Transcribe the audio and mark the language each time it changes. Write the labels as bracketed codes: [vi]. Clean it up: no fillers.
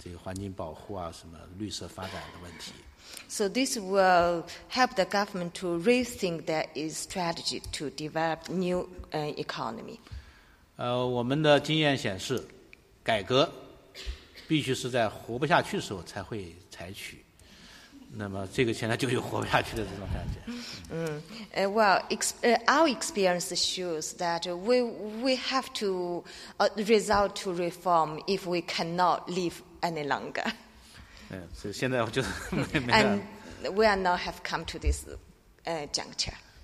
[zh] 所以这样一种严峻的局面呢，就使得中央政府非常认真地考虑这个环境保护啊，什么绿色发展的问题。 [en] So this will help the government to rethink their strategy to develop new economy. [zh] 我们的经验显示，改革必须是在活不下去的时候才会采取。 [en] Our experience shows that we have to resort to reform if we cannot live any longer. And we are now have come to this juncture.